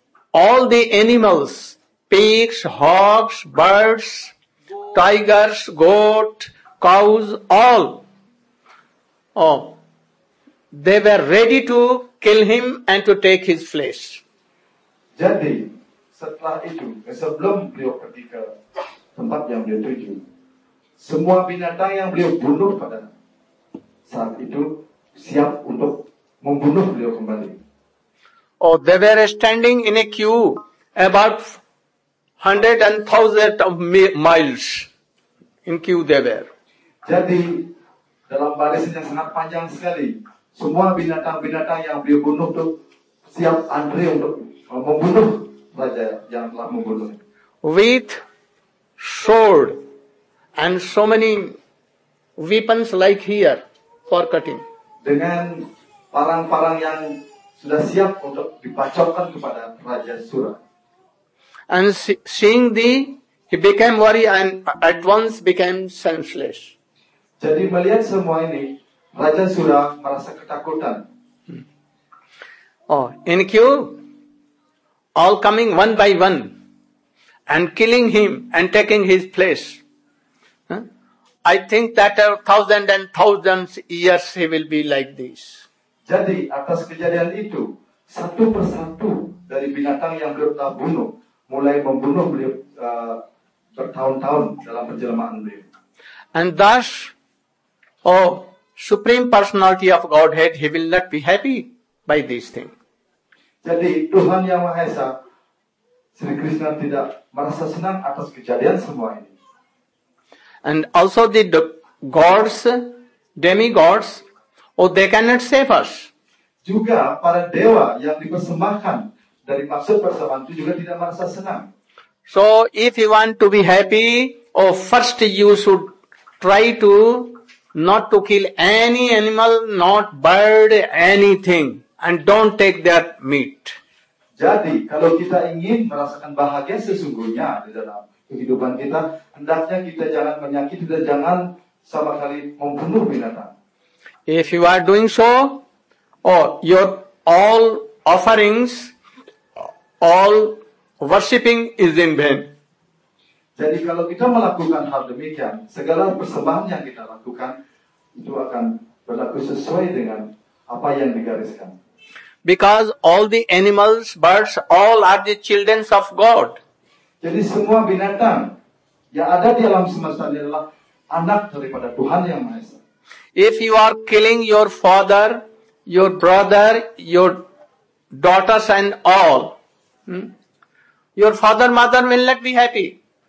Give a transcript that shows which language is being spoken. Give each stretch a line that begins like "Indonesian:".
English: All the animals, pigs, hogs, birds, tigers, goat, cows, all, they were ready to kill him and to take his flesh.
Indonesian: Jadi, setelah itu, sebelum beliau pergi ke tempat yang beliau tuju, semua binatang yang beliau bunuh pada saat itu siap untuk membunuh beliau kembali.
English: They were standing in a queue about 100,000 miles in queue they were.
Indonesian: Jadi dalam barisan yang sangat panjang sekali, semua binatang-binatang yang beliau bunuh itu siap antri untuk membunuh raja yang telah membunuh.
English: With sword and so many weapons like here for cutting.
Indonesian: Dengan parang-parang yang sudah siap untuk dipacokkan kepada Raja Sura.
English: And seeing the, he became worried and at once became senseless.
Indonesian: Jadi melihat semua ini, Raja Sura merasa ketakutan.
English: In queue, all coming one by one and killing him and taking his place. I think that a thousand and thousands years he will be like this.
Indonesian: Jadi atas kejadian itu, satu persatu dari binatang yang beliau telah bunuh mulai membunuh beliau bertahun-tahun dalam penjelmaan beliau.
English: And thus, Supreme Personality of Godhead, he will not be happy by this thing.
Indonesian: Jadi Tuhan Yang Maha Esa, Sri Krishna tidak merasa senang atas kejadian semua ini.
English: And also the gods, demigods, they cannot save us.
Indonesian: Juga para dewa yang dipersembahkan dari maksud persembahan itu juga tidak merasa senang.
English: So if you want to be happy, first you should try to not to kill any animal, not bird, anything, and don't take their meat.
Indonesian: Jadi kalau kita ingin merasakan bahagia sesungguhnya di dalam kehidupan kita, hendaknya kita jangan menyakiti dan jangan sama sekali membunuh binatang.
English: If you are doing so, your all offerings, all worshipping is in vain.
Indonesian: Jadi kalau kita melakukan hal demikian, segala persembahan yang kita lakukan itu akan berlaku sesuai dengan apa yang digariskan.
English: Because all the animals, birds, all are the children of God.
Indonesian: Jadi semua binatang yang ada di alam semesta ini adalah anak daripada Tuhan Yang Maha Esa.
English: If you are killing your father, your brother, your daughters and all, your father, mother will not be happy.